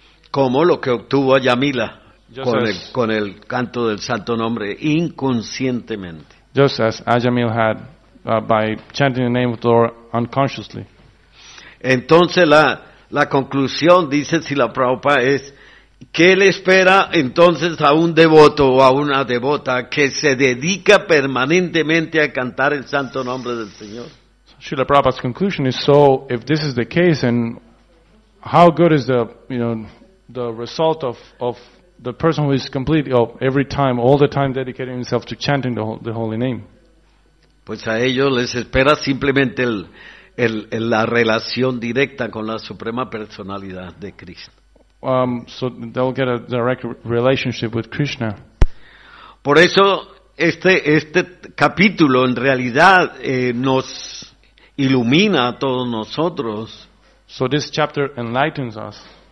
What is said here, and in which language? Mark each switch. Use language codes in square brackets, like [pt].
[es] Como lo que obtuvo Ajamila con el canto del santo nombre inconscientemente. [en] Just as Ajamila had by chanting the name of the Lord unconsciously. [es] Entonces la conclusión dice si la Prabhupada es ¿qué le espera entonces a un devoto o a una devota que se dedica permanentemente a cantar el santo nombre del Señor? [en] Srila Prabhupada's conclusion is so, if this is the case, and how good is the, the result of the person who is completely, every time, all the time dedicating himself to chanting the holy name? [es] Pues a ellos les espera simplemente la relación directa con la Suprema Personalidad de Cristo. [en] So they'll get a direct relationship with Krishna. [es] Por eso este capítulo en realidad nos ilumina a todos nosotros. [en] So this chapter enlightens us.